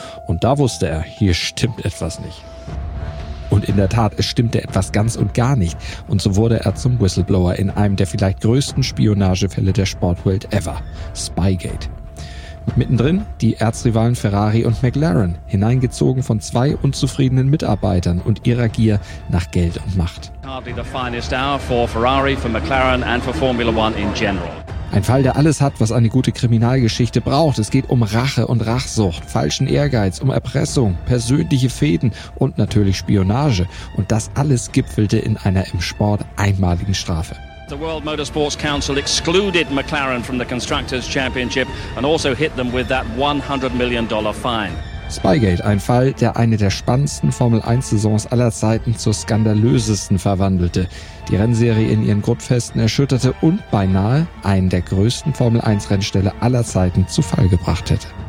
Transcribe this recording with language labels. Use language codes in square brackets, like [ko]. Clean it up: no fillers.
[de] Und da wusste er, hier stimmt etwas nicht. Und in der Tat, es stimmte etwas ganz und gar nicht. Und so wurde er zum Whistleblower in einem der vielleicht größten Spionagefälle der Sportwelt ever, Spygate. Mittendrin die Erzrivalen Ferrari und McLaren, hineingezogen von zwei unzufriedenen Mitarbeitern und ihrer Gier nach Geld und Macht. [en] Hardly the finest hour for Ferrari, for McLaren and for Formula One in general. [de] Ein Fall, der alles hat, was eine gute Kriminalgeschichte braucht. Es geht um Rache und Rachsucht, falschen Ehrgeiz, um Erpressung, persönliche Fäden und natürlich Spionage. Und das alles gipfelte in einer im Sport einmaligen Strafe. [en] The World Motorsports Council excluded McLaren from the Constructors' Championship and also hit them with that $100 million fine. [de] Spygate, ein Fall, der eine der spannendsten Formel-1-Saisons aller Zeiten zur skandalösesten verwandelte, die Rennserie in ihren Grundfesten erschütterte und beinahe einen der größten Formel-1-Rennställe aller Zeiten zu Fall gebracht hätte.